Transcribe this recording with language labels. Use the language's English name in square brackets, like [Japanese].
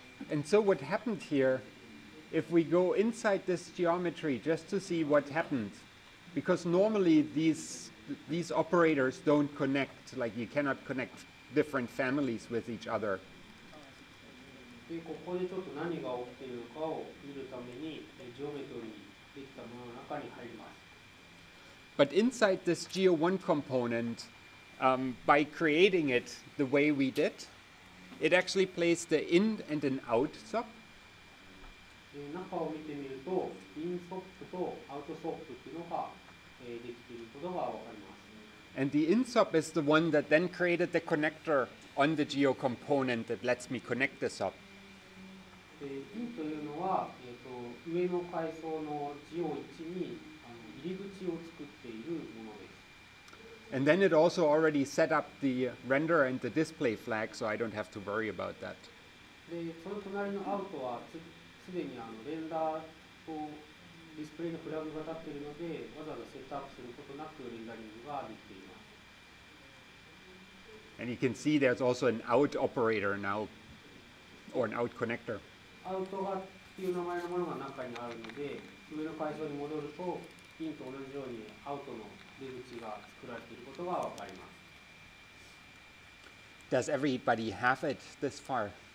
[English] And so what happened here, if we go inside this geometry just to see what happened, because normally these operators don't connect, like you cannot connect different families with each other. [Japanese] でここでちょっと何が起きているのかを見るためにジオメトリーできたものの中に入ります。 [English] But inside this GO1 component, by creating it the way we did, it actually plays the in and an out SOP. [Japanese] 中を見てみると、in SOP と out SOP っていうのが、できていることがわかります。 [English] And the in SOP is the one that then created the connector on the GO component that lets me connect the SOP. [Japanese] インというのは、上の階層のジオ1に入り口を作っているものです。 [English] And then it also already set up the render and the display flag, so I don't have to worry about that. [Japanese] で、その隣のアウトはすでにあのレンダーとディスプレイのフラグが立っているので、わざわざセットアップすることなくレンダリングができています。 [English] And you can see there's also an out operator now, or an out connector. [Japanese] アウトがっていう名前のものが中にあるので、上の階層に戻ると、インと同じようにアウトの出口が作られていることがわかります。 [English] Does everybody have it this far?